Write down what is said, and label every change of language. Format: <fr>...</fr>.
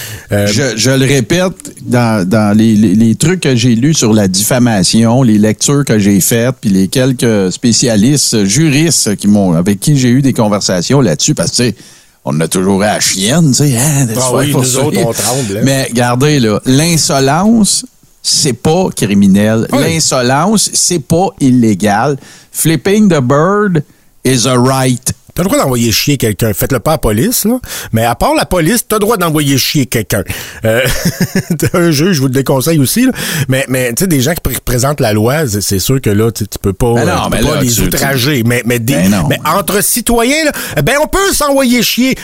<fr>Je le répète, dans les trucs que j'ai lus sur la diffamation, les lectures que j'ai faites, puis les quelques spécialistes juristes avec qui j'ai eu des conversations là-dessus, parce que, tu sais, on a toujours à chienne, tu sais. Hein, nous autres, on tremble. Hein. Mais regardez, là, l'insolence, c'est pas criminel. Oui. L'insolence, c'est pas illégal.</fr> <en>Flipping the bird is a right.</en> <fr>T'as le droit d'envoyer chier quelqu'un. Faites-le pas à la police, là. Mais à part la police, t'as le droit d'envoyer chier quelqu'un. un juge, je vous le déconseille aussi, là. Mais tu sais, des gens qui présentent la loi, c'est sûr que là, tu peux pas, ben non, tu peux mais pas là, les outrager. Mais entre citoyens, là, ben on peut s'envoyer chier.</fr>